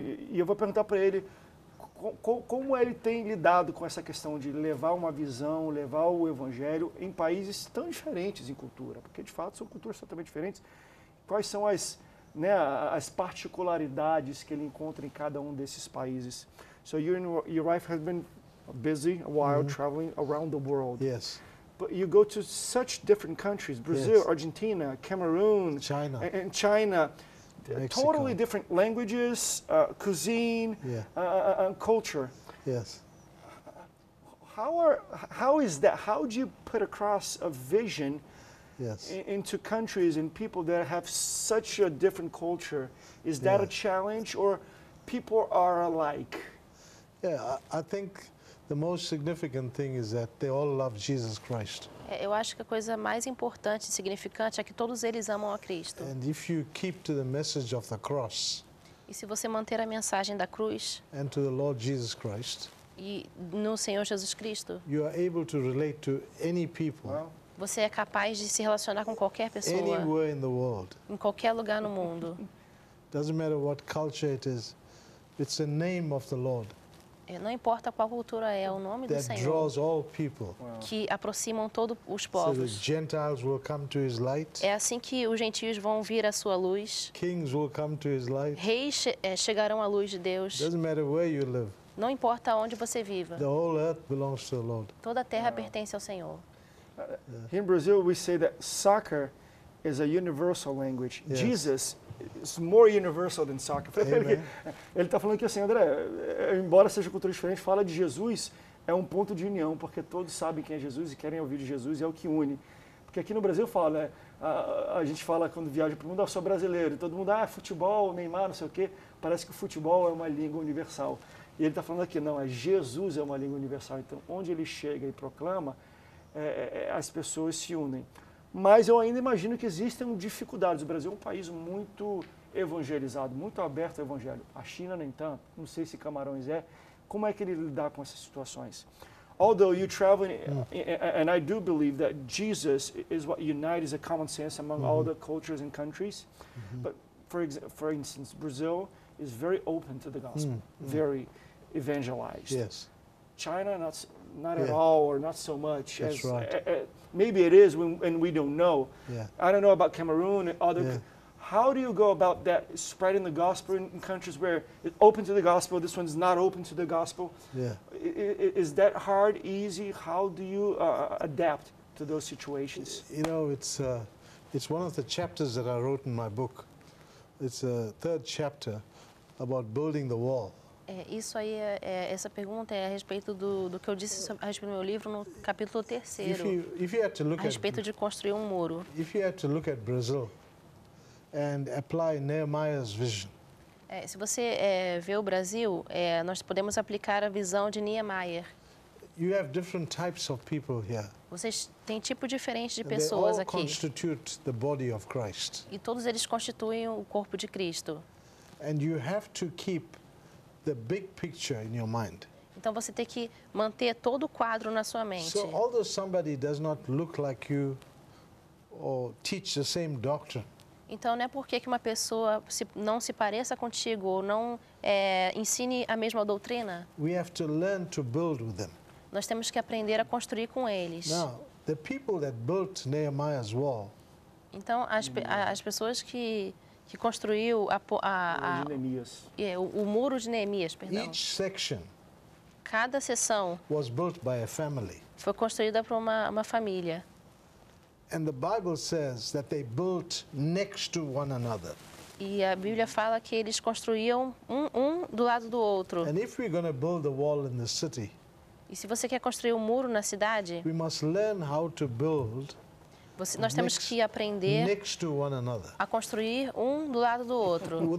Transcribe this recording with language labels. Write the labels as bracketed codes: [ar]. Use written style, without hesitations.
[pt] E eu vou perguntar para ele, como ele tem lidado com essa questão de levar uma visão, levar o evangelho em países tão diferentes em cultura? Porque, de fato, são culturas totalmente diferentes. Quais são as, né, as particularidades que ele encontra em cada um desses países? [en] So, your wife has been busy while traveling around the world. Yes. But you go to such different countries, Brazil, yes. Argentina, Cameroon. China. And China. Mexico. Totally different languages, cuisine, and culture. Yes. How is that? How do you put across a vision into countries and people that have such a different culture? Is that a challenge, or people are alike? Yeah, I think the most significant thing is that they all love Jesus Christ. [pt] Eu acho que a coisa mais importante e significante é que todos eles amam a Cristo. [en] And if you keep to the message of the cross, [pt] e se você manter a mensagem da cruz [en] and to the Lord Jesus Christ, [pt] e no Senhor Jesus Cristo, [en] you are able to relate to any people, [pt] você é capaz de se relacionar com qualquer pessoa [en] anywhere in the world. [pt] Em qualquer lugar no mundo. [en] Doesn't matter what culture it is, it's the name of the Lord. [pt] Não importa qual cultura é, o nome do Senhor [en] draws all people. [pt] Que aproximam todos os povos. [en] So the Gentiles will come to his light. [pt] É assim que os gentios vão vir à sua luz. [en] Kings will come to his light. [pt] Reis chegarão à luz de Deus. [en] Doesn't matter where you live. [pt] Não importa onde você viva. [en] The whole earth belongs to the Lord. [pt] Toda a terra pertence ao Senhor. [en] Here in Brazil we say that soccer is a universal language. Yes. Jesus is more universal than soccer. [pt] Ele está falando que assim, André, embora seja cultura diferente, fala de Jesus, é um ponto de união, porque todos sabem quem é Jesus e querem ouvir de Jesus, e é o que une. Porque aqui no Brasil fala, a gente fala quando viaja para o mundo, eu sou brasileiro, e todo mundo, futebol, Neymar, não sei o quê, parece que o futebol é uma língua universal. E ele está falando aqui, não, é Jesus é uma língua universal. Então, onde ele chega e proclama, as pessoas se unem. Mas eu ainda imagino que existem dificuldades. O Brasil é um país muito evangelizado, muito aberto ao evangelho. A China, nem tanto. Não sei se Camarões é. Como é que ele lida com essas situações? [en] Although you travel, and I do believe that Jesus is what unites a common sense among all the cultures and countries. Mm-hmm. But for instance, Brazil is very open to the gospel, very evangelized. Yes. China, not at all, or not so much. That's right. Maybe it is, and we don't know. Yeah. I don't know about Cameroon and other. Yeah. How do you go about that, spreading the gospel in countries where it's open to the gospel, this one's not open to the gospel? Yeah. Is that hard, easy? How do you adapt to those situations? You know, it's one of the chapters that I wrote in my book. It's a third chapter about building the wall. [pt] Isso aí, essa pergunta é a respeito do que eu disse a respeito do meu livro no capítulo 3º, a respeito de construir um muro. [en] If you had to look at Brazil and apply Nehemiah's vision. [pt] Se você vê o Brasil, nós podemos aplicar a visão de Nehemiah. [en] You have different types of people here. [pt] Vocês têm tipo diferente de pessoas aqui. [en] They all constitute the body of Christ. [pt] E todos eles constituem o corpo de Cristo. [en] And you have to keep the big picture in your mind. [pt] Então você tem que manter todo o quadro na sua mente. [en] So although somebody does not look like you or teach the same doctrine. [pt] Então não é porque que uma pessoa não se pareça contigo ou não ensine a mesma doutrina. [en] We have to learn to build with them. [pt] Nós temos que aprender a construir com eles. [en] Now, the people that built Nehemiah's wall. [pt] Então as pessoas que construiu o muro de Neemias, perdão. [en] Each section. [pt] Cada seção. [en] Was built by a family. [pt] Foi construída por uma família. [en] And the Bible says that they built next to one another. [pt] E a Bíblia fala que eles construíam um do lado do outro. [en] And if we're going to build a wall in the city, [pt] e se você quer construir um muro na cidade, [en] we must learn how to build [pt] nós temos que aprender a construir um do lado do outro.